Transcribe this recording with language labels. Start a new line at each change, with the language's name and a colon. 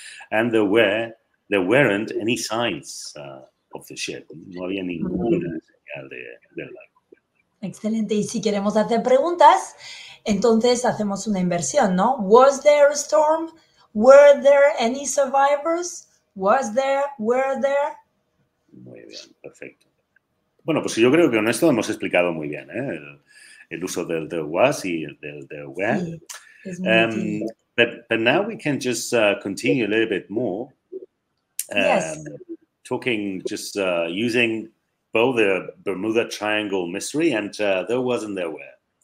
English: And there weren't any signs of the ship.
Spanish: No había ninguna señal del barco. Excelente. Y si queremos hacer preguntas, entonces hacemos una inversión, ¿no?
English: Was there a storm? Were there any survivors? Was there? Were there?
Spanish: Muy bien, perfecto. Bueno, pues yo creo que con esto hemos explicado muy bien, ¿eh? El uso del there was y del there were. Sí,
English: but now we can just continue a little bit more. Yes. Talking just using both the Bermuda Triangle mystery and there was and there were.